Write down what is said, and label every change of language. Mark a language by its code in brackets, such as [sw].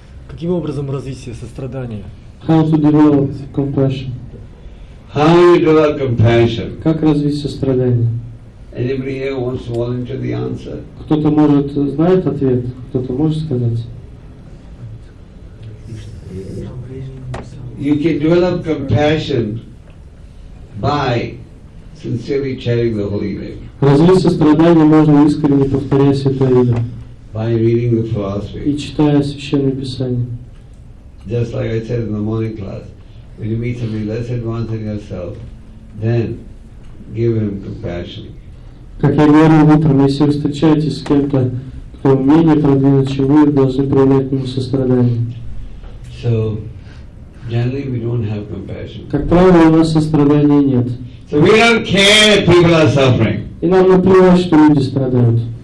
[ru] Каким образом развитие сострадания? [en] How to develop compassion? How you develop compassion? [ru] Как развить сострадание? [en] Anybody here wants to volunteer the answer? [ru] Кто-то может знает ответ? Кто-то может сказать? [en] You can develop compassion by sincerely chanting the holy name. [ru] Развить сострадание можно искренне повторяя святое имя. [en] By reading the philosophy. [ru] И читая священное писание. [en] Just like I said in the morning class, when you meet somebody less advanced than yourself, then give him compassion. [ru] Как я говорил утром, если вы встречаетесь с кем-то, кто менее продвинут, чем вы, должны проявлять к нему сострадание. [en] So, generally we don't have compassion. [ru] Как правило, у нас сострадания нет. [en] So we don't care if people are suffering. [ru] И нам наплевать, что люди страдают.